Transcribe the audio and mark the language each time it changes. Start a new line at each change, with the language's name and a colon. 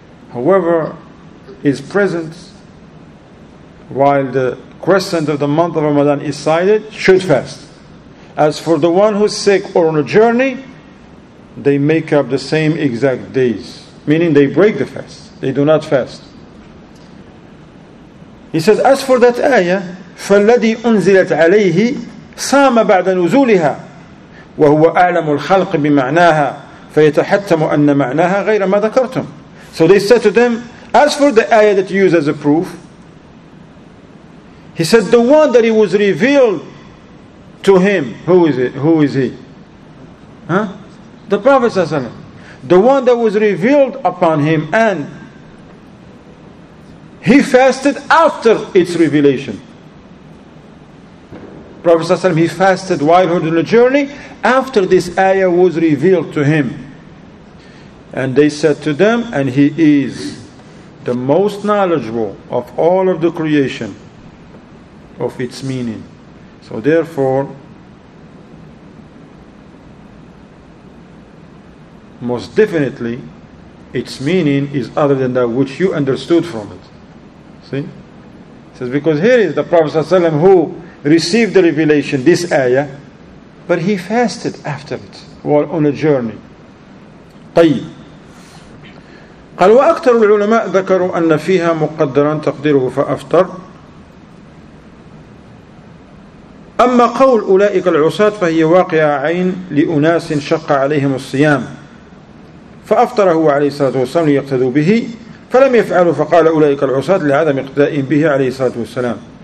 English: However, is present while the crescent of the month of Ramadan is sighted, should fast. As for the one who's sick or on a journey, they make up the same exact days. meaning they break the fast, they do not fast. He says, as for that ayah,
Arabic: فَالَّذِي أُنزِلَتْ عَلَيْهِ صَامَ بَعْدَ نُزُولِهَا وَهُوَ أَعْلَمُ الْخَلْقِ بِمَعْنَاهَا فَيَتَحَتَّمُ أَنَّ مَعْنَاهَا غَيْرَ مَا ذَكَرْتُمْ.
English: So they said to them, as for the ayah that you use as a proof, he said, the one that he was revealed to him, who is it? Who is he? Huh? The Prophet Sallallahu Alaihi Wasallam. The one that was revealed upon him, and he fasted after its revelation. Prophet Sallallahu Alaihi Wasallam, he fasted while he was on the journey after this ayah was revealed to him. And they said to them, and he is the most knowledgeable of all of the creation of its meaning. So therefore, most definitely, its meaning is other than that which you understood from it. See? It says, because here is the Prophet ﷺ who received the revelation, this ayah, but he fasted after it while on a journey.
Arabic: طيب. قال وأكثر العلماء ذكروا أن فيها مقدرا تقديره فأفطر. أما قول أولئك العصاة فهي واقعة عين لأناس شق عليهم الصيام فأفطر هو عليه الصلاة والسلام ليقتدوا به فلم يفعلوا فقال أولئك العصاة لعدم اقتدائهم به عليه الصلاة والسلام.